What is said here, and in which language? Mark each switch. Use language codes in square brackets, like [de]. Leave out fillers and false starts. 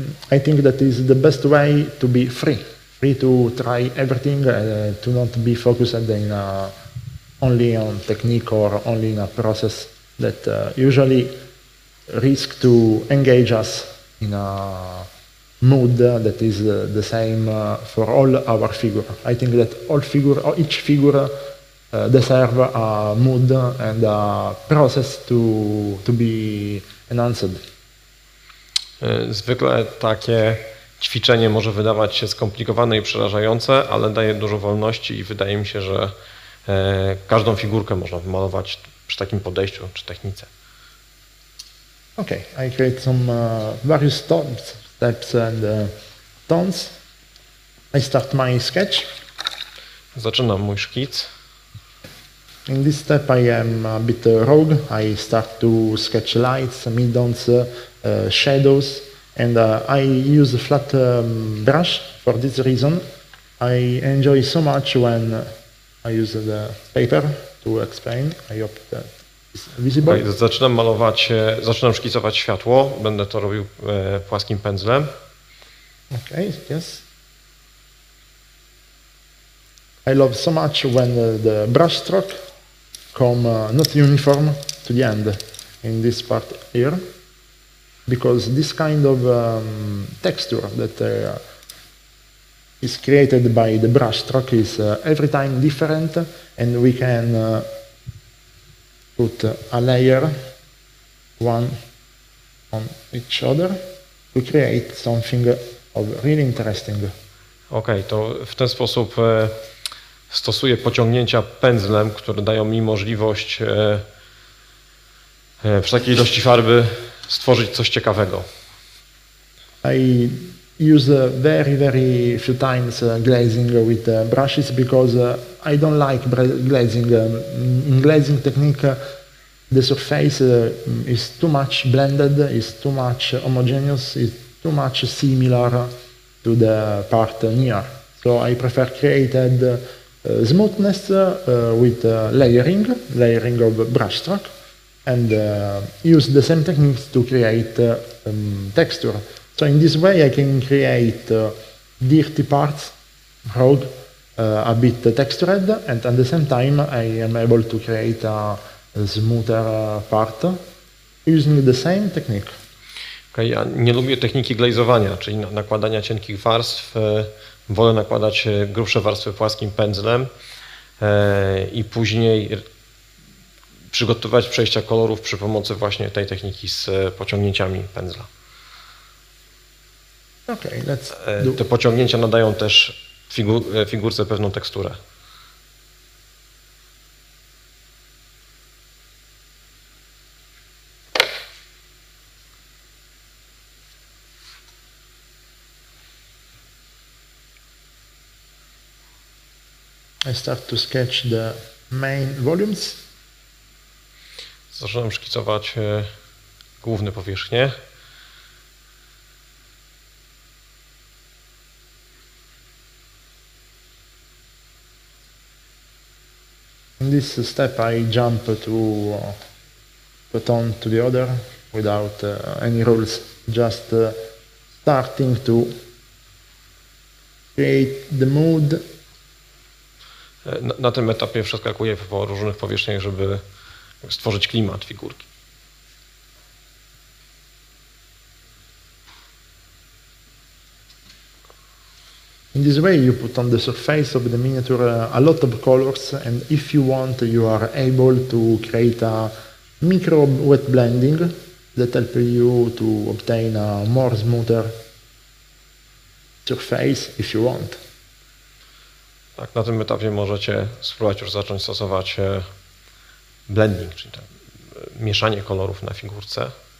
[en] I think that is the best way to be free to try everything, to not be focused in only on technique or only in a process that usually risk to engage us in a mood that is the same for all our figure. I think that each figure deserve a mood and a process to be enhanced. [pl] Zwykle takie ćwiczenie może wydawać się skomplikowane i przerażające, ale daje dużo wolności i wydaje mi się, że każdą figurkę można wymalować przy takim podejściu czy technice. [en] Okay, I create some various tones. Steps and tones. I start my sketch. [pl] Zaczynam mój szkic. [en] In this step, I am a bit rogue. I start to sketch lights, middons, shadows, and I use a flat brush for this reason. I enjoy so much when I use the paper to explain. I hope that it's visible. [pl] Okay, zaczynam malować, zaczynam szkicować światło. Będę to robił płaskim pędzlem. [en] Okay, yes. I love so much when the brush stroke come not uniform to the end in this part here, because this kind of texture that is created by the brush stroke is every time different, and we can put a layer one on each other to create something of really interesting. [pl] Okay, to w ten sposób stosuję pociągnięcia pędzlem, które dają mi możliwość przy takiej ilości farby stworzyć coś ciekawego. [en] I use very, very few times glazing with brushes because I don't like glazing. In glazing technique, the surface is too much blended, is too much homogeneous, is too much similar to the part near. So I prefer created smoothness with layering of brush stroke, and use the same techniques to create texture. So in this way I can create dirty parts, rogue, a bit textured, and at the same time I am able to create a smoother part using the same technique. [pl] Okay, ja nie lubię techniki glazowania, czyli nakładania cienkich warstw. Wolę nakładać grubsze warstwy płaskim pędzlem i później przygotować przejścia kolorów przy pomocy właśnie tej techniki z pociągnięciami pędzla. [en] Okay, let's [pl] te pociągnięcia nadają też figurce pewną teksturę. [en] I start to sketch the main volumes. [pl] Zaczynam szkicować główne powierzchnie. [en] In this step I jump to put on to the other without any rules, just starting to create the mood. [pl] Na tym etapie przeskakuję po różnych powierzchniach, żeby stworzyć klimat figurki. [en] In this way you put on the surface of the miniature a lot of colors, and if you want you are able to create a micro wet blending that helps you to obtain a more smoother surface if you want. [pl] Tak, na tym etapie możecie spróbować już zacząć stosować blending, czyli tam, mieszanie kolorów na figurce.